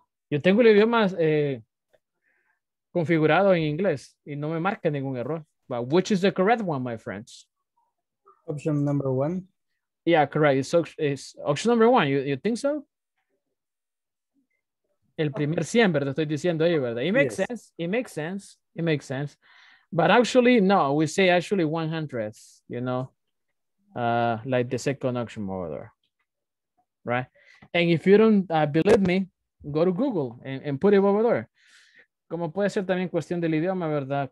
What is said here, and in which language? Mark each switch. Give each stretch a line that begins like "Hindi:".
Spanish: Yo tengo el idioma configurado en inglés y no me marca ningún error.
English: But which is the correct one, my friends? Option number one. Yeah, correct. It's option number one. You think so?
Spanish: El primer 100, ¿verdad? Estoy diciendo ahí, ¿verdad?
English: It makes sense. It makes sense. It makes sense. But actually, no. We say actually 100th, you know, like the second auction order, right? And if you don't believe me, go to Google and put it over there.
Spanish: Como puede ser también cuestión del idioma, ¿verdad?